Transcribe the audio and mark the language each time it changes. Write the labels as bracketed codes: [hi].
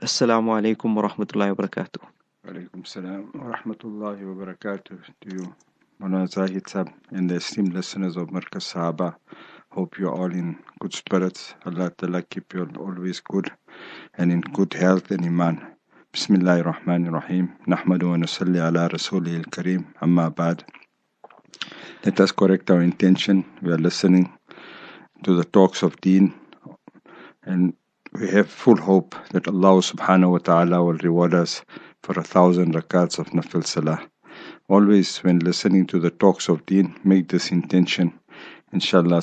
[ar] Assalamu alaikum wa rahmatullahi wa barakatuh. [en] Alaikum salam wa rahmatullahi wa barakatuh to you, Mona Zahid Sab, and the esteemed listeners of Markaz Sahaba. Hope you're all in good spirits. Allah Ta'ala keep you always good and in good health and iman. [ar] بسم الله الرحمن الرحيم نحمد ونصلي على رسوله الكريم أما بعد. [en] Let us correct our intention. We are listening to the talks of Deen, and we have full hope that Allah subhanahu wa ta'ala will reward us for 1,000 rakats of Nafil Salah. Always when listening to the talks of Deen, make this intention, inshallah.